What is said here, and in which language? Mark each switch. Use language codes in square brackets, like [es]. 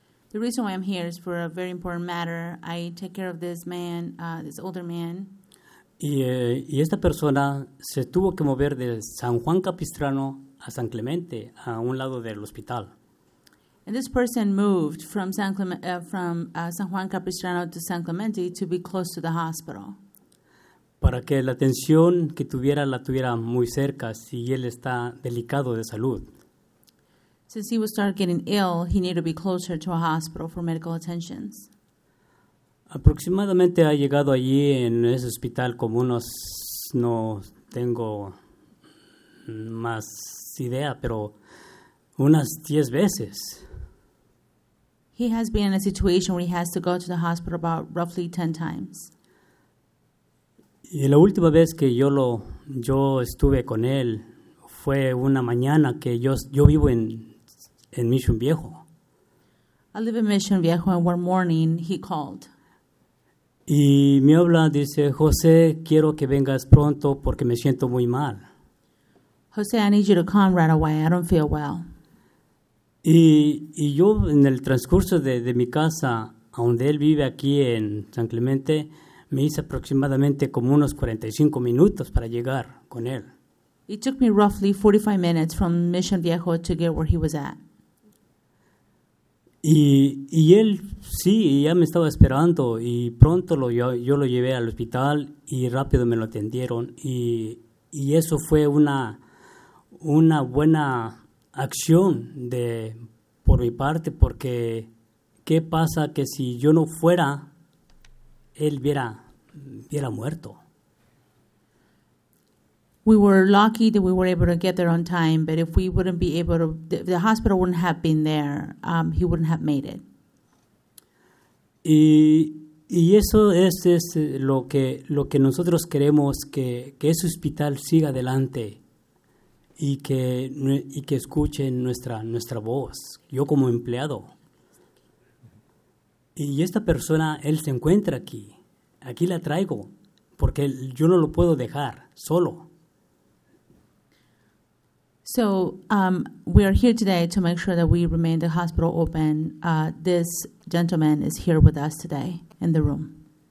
[en] The reason why I'm here is for a very important matter. I take care of this man, this older man. [es] Y esta persona se tuvo que mover de San Juan Capistrano a San Clemente, a un lado del hospital. [en] And this person moved from San Juan Capistrano to San Clemente to be close to the hospital. [es] Para que la atención que tuviera la tuviera muy cerca, si él está delicado de salud. [en] Since he would start getting ill, he needed to be closer to a hospital for medical attentions. [es] Aproximadamente ha llegado allí en ese hospital como unos, no tengo más idea, pero unas 10 veces. [en] He has been in a situation where he has to go to the hospital about roughly 10 times. [es] Y la última vez que yo estuve con él fue una mañana que yo vivo en Mission Viejo. [en] I live in Mission Viejo, and one morning he called. [es] Y me habla, dice, José, quiero que vengas pronto porque me siento muy mal. [en] José, I need you to come right away. I don't feel well. [es] Y yo en el transcurso de mi casa, donde él vive aquí en San Clemente, me hice aproximadamente como unos 45 minutos para llegar con él. [en] It took me roughly 45 minutes from Mission Viejo to get where he was at. [es] Y él, sí, ya me estaba esperando y pronto yo lo llevé al hospital y rápido me lo atendieron. Y eso fue una buena acción por mi parte, porque ¿qué pasa que si yo no fuera, él hubiera muerto? [en] We were lucky that we were able to get there on time, but if we wouldn't be able to, the hospital wouldn't have been there, he wouldn't have made it. [es] Y eso es lo que nosotros queremos, que ese hospital siga adelante y que escuchen nuestra voz, yo como empleado. Y esta persona, él se encuentra aquí. Aquí la traigo, porque yo no lo puedo dejar solo. [en] So we are here today to make sure that we remain the hospital open. This gentleman is here with us today in the room.